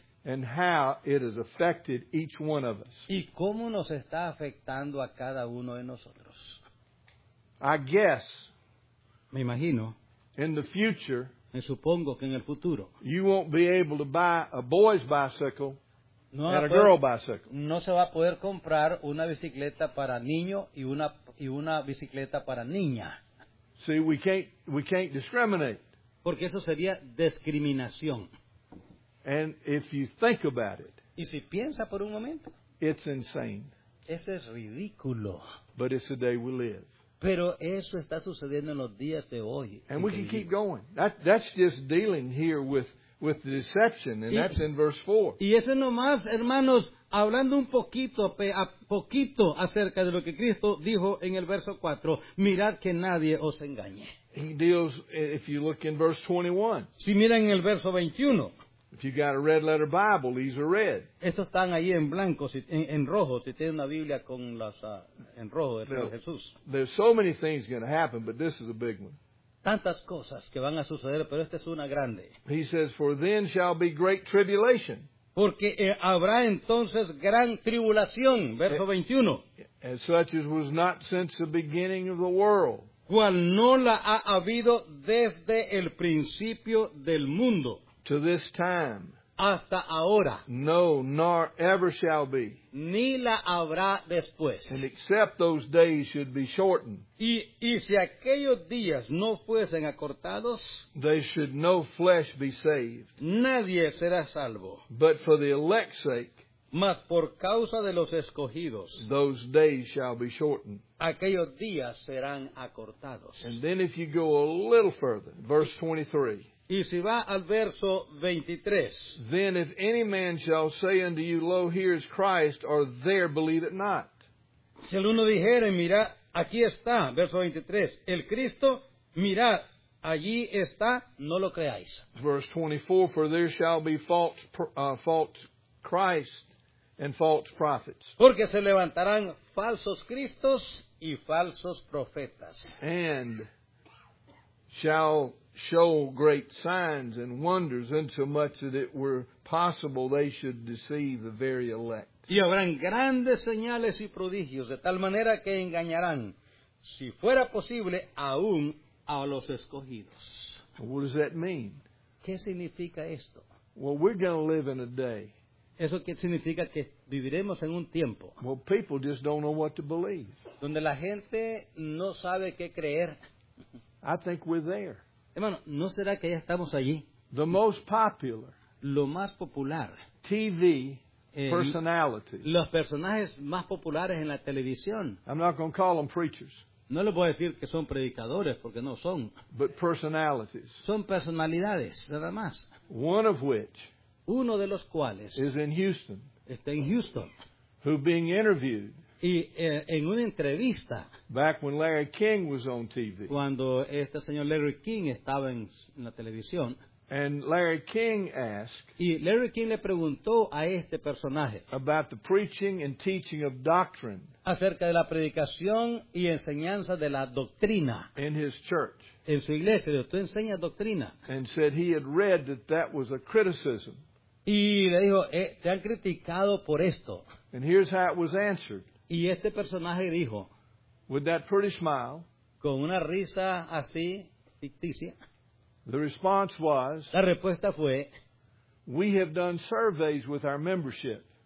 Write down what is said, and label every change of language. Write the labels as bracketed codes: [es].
[en] And how it has affected each one of us. [es] ¿Y cómo nos está afectando a cada uno de nosotros? [en] I guess, [es] me imagino, [en] in the future, [es] me supongo que en el futuro, [en] you won't be able to buy a boy's bicycle and a girl bicycle. [es] No se va a poder comprar una bicicleta para niño y una bicicleta para niña. [en] See, we can't discriminate. [es] Porque eso sería discriminación. [en] And if you think about it, [es] y si piensa por un momento, [en] it's insane. [es] Eso es ridículo. [en] But it's the day we live. [es] Pero eso está sucediendo en los días de hoy. [en] And we can keep going. That's just dealing here with the deception, and that's in verse 4. [es] Y eso nomás, hermanos, hablando un poquito, a poquito acerca de lo que Cristo dijo en el verso 4, mirad que nadie os engañe. [en] He deals, if you look in verse 21. [es] Si miran en el verso 21. [en] If you got a red letter Bible, these are red. [es] Estos están ahí en blanco, en rojo, si tienen una Biblia con las en rojo, es de Jesús. [en] There's so many things going to happen, but this is a big one. [es] Tantas cosas que van a suceder, pero esta es una grande. [en] He says, for then shall be great tribulation. [es] Porque habrá entonces gran tribulación. Verso 21. [en] As such as was not since the beginning of the world. [es] Cual no la ha habido desde el principio del mundo. [en] To this time. [es] hasta ahora. [en] No, nor ever shall be. [es] Ni la habrá después. [en] And except those days should be shortened. [es] Y si aquellos días no fuesen acortados, [en] they should no flesh be saved. [es] Nadie será salvo. [en] But for the elect's sake, [es] mas por causa de los escogidos, [en] those days shall be shortened. [es] Aquellos días serán acortados. [en] And then if you go a little further, verse 23. [es] Y si va al verso 23. [en] Then if any man shall say unto you, lo, here is Christ, or there, believe it not. [es] Si el uno dijere, mira, aquí está, verso 23, el Cristo, mira, allí está, no lo creáis. [en] Verse 24, for there shall be false Christ and false prophets. [es] Porque se levantarán falsos Cristos y falsos profetas. [en] And shall show great signs and wonders, insomuch that it were possible they should deceive the very elect. [es] Y habrán grandes señales y prodigios, de tal manera que engañarán, si fuera posible, aún a los escogidos. [en] What does that mean? [es] ¿Qué significa esto? [en] Well, we're going to live in a day. [es] ¿Eso qué significa? Que viviremos en un tiempo. [en] Well, people just don't know what to believe. [es] Donde la gente no sabe qué creer. [en] I think we're there. [es] Hermano, ¿no será que ya estamos allí? [en] The most popular, [es] lo más popular, [en] TV personalities, [es] los personajes más populares en la televisión. [en] I'm not going to call them preachers. [es] No les voy a decir que son predicadores porque no son. [en] But personalities. [es] Son personalidades, nada más. [en] One of which, [es] uno de los cuales, [en] is in Houston. [es] Está en Houston. [en] Who being interviewed. [es] Y en una entrevista, [en] back when Larry King was on TV, [es] cuando este señor Larry King estaba en la televisión, [en] and Larry King asked, [es] y Larry King le preguntó a este personaje [en] about the preaching and teaching of doctrine, [es] acerca de la predicación y enseñanza de la doctrina [en] in his church, [es] en su iglesia, ¿tú enseñas doctrina? [en] And said he had read that that was a criticism. [es] Y le dijo, te han criticado por esto. [en] And here's how it was answered. [es] Y este personaje dijo, [en] with that pretty smile, [es] con una risa así, ficticia, [en] the response was, [es] la respuesta fue, [en] we have done surveys with our membership.